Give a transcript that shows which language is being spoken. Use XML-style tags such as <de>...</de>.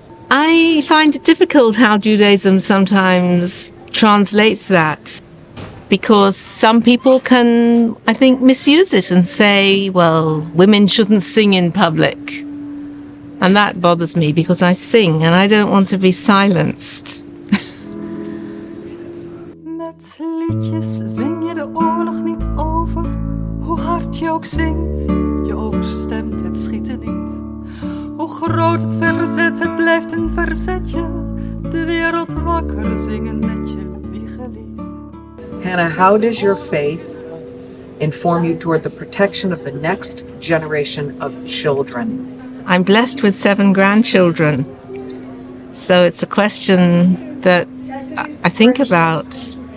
<en>I find it difficult how Judaism sometimes translates that, because some people can, I think, misuse it and say, well, women shouldn't sing in public. And that bothers me because I sing and I don't want to be silenced.</en> <nl>Met liedjes zing je de oorlog niet over, hoe hard je ook zingt, je overstemt het schieten niet. Hoe groot het verzet, het blijft een verzetje. De wereld wakker zingen met je biegelied.</nl> <en>Hannah, how does your faith inform you toward the protection of the next generation of children? I'm blessed with 7 grandchildren. So it's a question that I think about.</en>